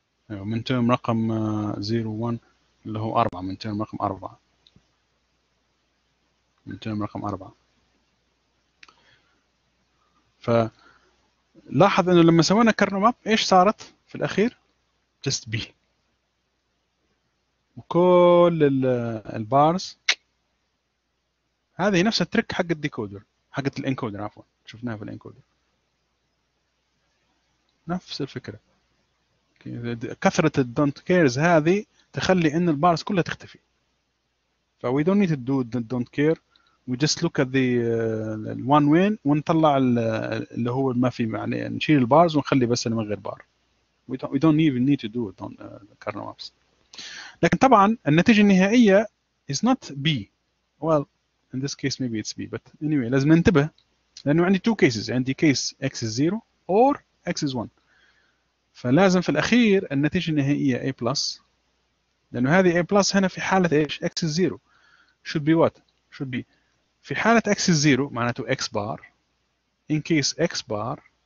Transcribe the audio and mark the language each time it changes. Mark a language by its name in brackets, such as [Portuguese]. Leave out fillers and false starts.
[Arabic] ايوه من تيرم رقم 01 اللي هو 4، من تيرم رقم 4 فلاحظ انه لما سوينا كرنوم اب ايش صارت في الاخير؟ جست بي، وكل البارز هذه نفس التريك حق الديكودر، حق الانكودر عفوا، شفناها في الانكودر نفس الفكرة. كثرة الـ don't cares هذه تخلي إن البارز كلها تختفي. [English] ف we don't need to do the don't care. We just look at the one win [Arabic] ونطلع اللي هو ما في، يعني نشيل البارز ونخلي بس اللي من غير بار. [English] We don't even need to do it on kernel maps. [Arabic] لكن طبعاً النتيجة النهائية [English] is not B. Well, in this case maybe it's B. But anyway [Arabic] لازم ننتبه، لأنه عندي two cases. عندي case [English] x is zero or x is 1، [Arabic] فلازم في الأخير النتيجة النهائية a plus، لأنه هذه a plus هنا في حالة إيش؟ [English] x is 0 should be what؟ should be [Arabic] في حالة x is 0 معناته x bar in case x bar